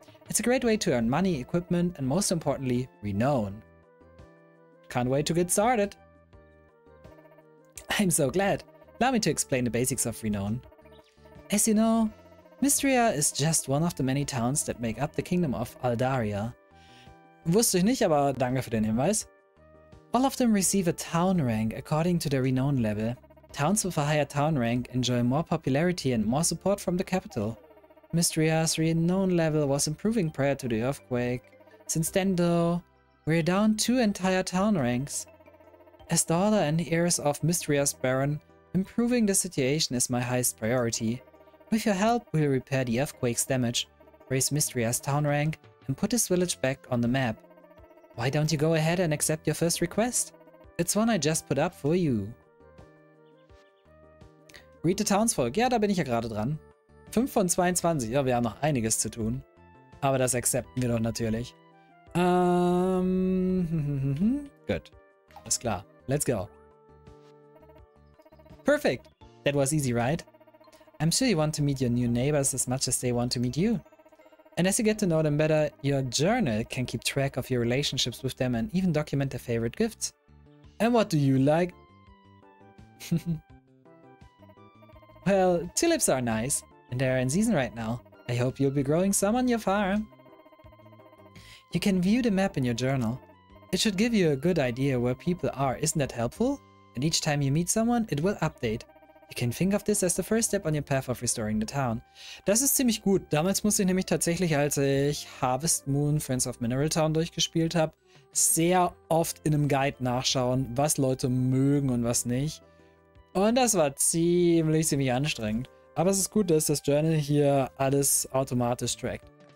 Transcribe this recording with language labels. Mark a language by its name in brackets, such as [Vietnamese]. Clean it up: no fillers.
[English] It's a great way to earn money, equipment and most importantly, renown. Can't wait to get started. I'm so glad. Allow me to explain the basics of renown. As you know, Mystria is just one of the many towns that make up the kingdom of Aldaria. [German] Wusste ich nicht, aber danke für den Hinweis. [English] All of them receive a town rank according to their renown level. Towns with a higher town rank enjoy more popularity and more support from the capital. Mystria's renown level was improving prior to the earthquake. Since then though, we're down two entire town ranks. As daughter and heirs of Mystria's Baron, improving the situation is my highest priority. With your help, we'll repair the earthquake's damage, raise Mystria's town rank, and put this village back on the map. Why don't you go ahead and accept your first request? It's one I just put up for you. Greet the Townsfolk. [German] Ja, da bin ich ja gerade dran. 5 von 22. Ja, wir haben noch einiges zu tun. Aber das akzeptieren wir doch natürlich. Gut. Alles klar. [English] Let's go. Perfect. That was easy, right? I'm sure you want to meet your new neighbors as much as they want to meet you. And as you get to know them better, your journal can keep track of your relationships with them and even document their favorite gifts. And what do you like? Well, tulips are nice, and they are in season right now. I hope you'll be growing some on your farm. You can view the map in your journal. It should give you a good idea where people are, isn't that helpful? And each time you meet someone, it will update. You can think of this as the first step on your path of restoring the town. [German] Das ist ziemlich gut. Damals musste ich nämlich tatsächlich, als ich Harvest Moon Friends of Mineral Town durchgespielt habe, sehr oft in einem Guide nachschauen, was Leute mögen und was nicht. Und das war ziemlich, ziemlich anstrengend. Aber es ist gut, dass das Journal hier alles automatisch trackt.